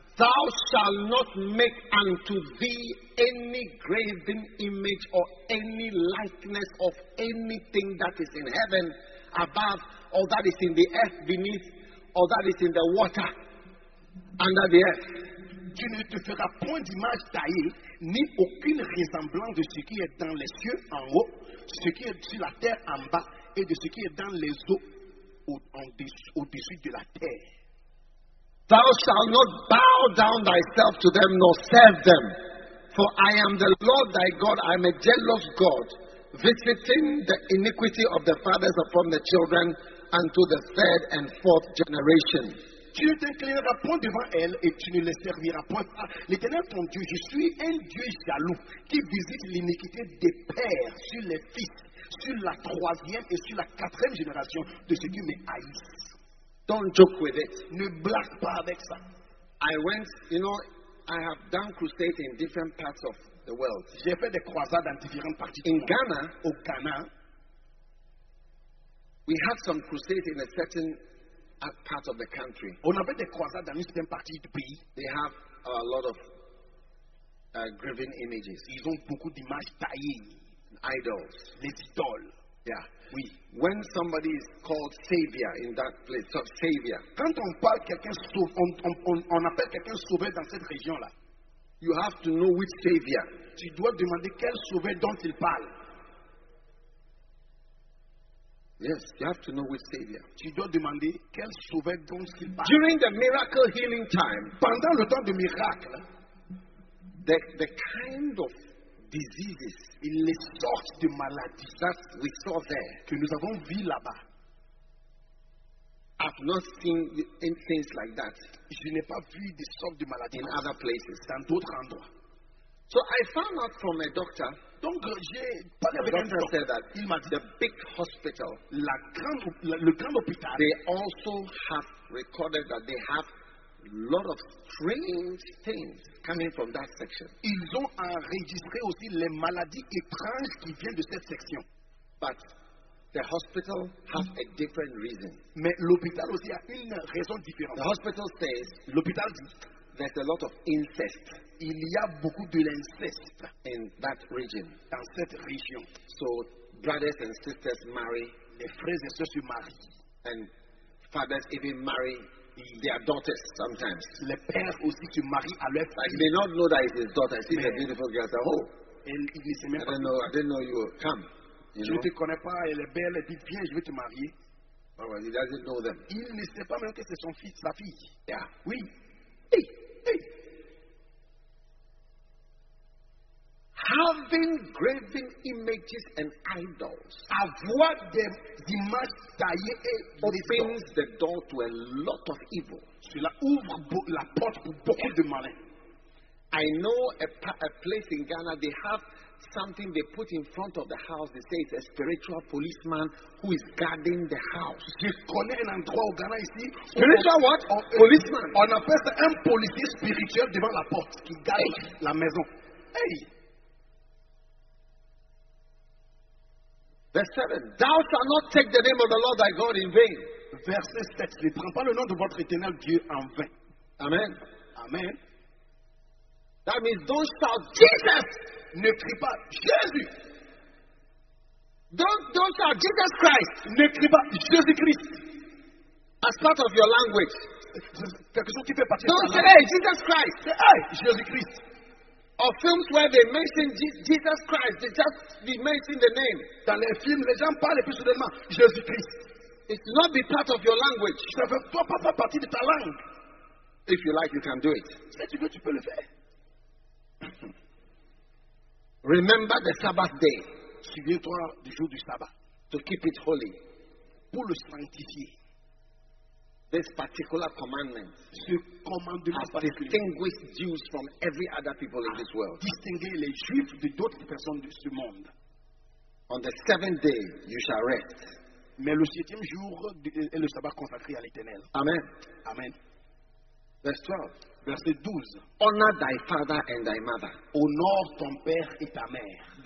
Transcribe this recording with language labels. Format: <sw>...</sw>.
<en>Thou shalt not make unto thee any graven image or any likeness of anything that is in heaven above, or that is in the earth beneath, or that is in the water under the earth.</en> <fr>Tu ne te feras point d'image taillée, ni aucune ressemblance de ce qui est dans les cieux en haut, ce qui est sur la terre en bas, et de ce qui est dans les eaux au-dessus de la terre.</fr> <en>Thou shalt not bow down thyself to them, nor serve them. For I am the Lord thy God, I am a jealous God, visiting the iniquity of the fathers upon the children unto the third and fourth generation.</en> <fr>Tu ne t'inclineras point devant elle et tu ne les serviras point. L'Éternel ton Dieu, je suis un Dieu jaloux qui visite l'iniquité des pères sur les fils, sur la troisième et sur la quatrième génération de ceux qui me haïssent.</fr> <en>Don't joke with it.</en> <fr>Ne blague pas avec ça.</fr> <en>I went, you know, I have done crusades in different parts of the world.</en> <fr>J'ai fait des croisades dans différentes parties du monde.</fr> <en>In Ghana,</en> <fr>au Ghana,</fr> <en>we had some crusades in a certain part of the country.</en> <fr>On avait des croisades dans une certaine partie du pays.</fr> <en>They have a lot of graven images.</en> <fr>Ils ont beaucoup d'images taillées.</fr> <en>Idols.</en> <fr>Les idoles. Yeah. Oui.</fr> <en>When somebody is called savior in that place, so savior.</en> <fr>Quand on parle quelqu'un sauve, on appelle quelqu'un sauveur dans cette région là.</fr> <en>You have to know which savior.</en> <fr>Tu dois demander quel sauveur dont il parle.</fr> <en>Yes, you have to know which savior.</en> <fr>Tu dois demander quel sauveur dont il parle.</fr> <en>During the miracle healing time,</en> <fr>pendant le temps de miracle,</fr> <en>the kind of diseases,</en> <fr>in les sortes de maladies</fr> <en>that we saw there,</en> <fr>que nous avons vu là-bas.</fr> <en>I've not seen any things like that.</en> <fr>Je n'ai pas vu des sortes de maladies</fr> <en>in other places,</en> <fr>dans d'autres endroits.</fr> <en>So I found out from a doctor.</en> <fr>Donc j'ai parlé avec un</fr> <en>doctor. That</en> <fr>il m'a dit</fr> <en>the big hospital,</en> <fr>le grand hôpital.</fr> <en>They also have recorded that they have lot of strange things coming from that section.</en> <fr>Ils ont enregistré aussi les maladies étranges qui viennent de cette section.</fr> <en>But the hospital has a different reason.</en> <fr>Mais l'hôpital aussi a une raison différente.</fr> <en>The hospital says,</en> <fr>l'hôpital dit,</fr> <en>there's a lot of incest.</en> <fr>Il y a beaucoup de l'inceste</fr> <en>in that region.</en> <fr>Dans cette région.</fr> <en>So brothers and sisters marry.</en> <fr>Les frères et sœurs se marient.</fr> <en>And fathers even marry their daughters sometimes.</en> <fr>Le père aussi se marie à leur fille.</fr> <en>I may not know that it's his daughter. She's a beautiful girl. So, oh,</en> <fr>elle, il s'est même</fr> <en>I don't know. I didn't know you were. Come. You</en> <fr>je ne te connais pas. Elle est belle. Elle dit viens, je vais te marier.</fr> <en>Oh, well, he doesn't know them.</en> <fr>Il ne sait pas même que c'est son fils, sa fille. Yeah. Oui. Hey, hey.</fr> <en>Having graven images and idols,</en> <fr>avoir des images taillées et</fr> <en>opens the door to a lot of evil.</en> <fr>Cela ouvre la porte pour beaucoup de malin.</fr> <en>I know a place in Ghana, they have something they put in front of the house. They say it's a spiritual policeman who is guarding the house.</en> <fr>Je connais un endroit au Ghana ici.</fr> <en>Spiritual what? Policeman.</en> <fr>On appelle ça un policier spirituel devant la porte qui garde la maison. Hey.</fr> <en>Verse 7. Thou shalt not take the name of the Lord thy God in vain.</en> <fr>Verset 7. Ne prends pas le nom de votre éternel Dieu en vain. Amen. Amen.</fr> <en>That means don't shout Jesus.</en> <fr>Ne crie pas Jésus.</fr> <en>Don't shout Jesus Christ.</en> <fr>Ne crie pas Jésus Christ.</fr> <en>As part of your language.</en> <fr>Quelque chose qui fait partie</fr> <en>don't say hey, Jesus Christ.</en> <fr>Hey, Jésus Christ.</fr> <en>Or films where they mention Jesus Christ, they just mention the name.</en> <fr>Dans les films, les gens parlent plus soudainement Jésus Christ.</fr> <en>It should not be part of your language.</en> <fr>Ça ne fait pas partie de ta langue.</fr> <en>If you like, you can do it.</en> <fr>Si tu veux, tu peux le faire.</fr> <en>Remember the Sabbath day.</en> <fr>Souviens-toi du jour du sabbat.</fr> <en>To keep it holy.</en> <fr>Pour le sanctifier.</fr> <en>This particular commandment has distinguished Jews from every other people in this world.</en> <fr>Distinguer les Juifs de d'autres personnes de ce monde.</fr> <en>On the seventh day, you shall rest.</en> <fr>Mais le septième jour est le sabbat consacré à l'Éternel. Amen. Amen.</fr> <en>Verse 12.</en> <fr>Verset 12.</fr> <en>Honor thy father and thy mother.</en> <fr>Honore ton père et ta mère.</fr>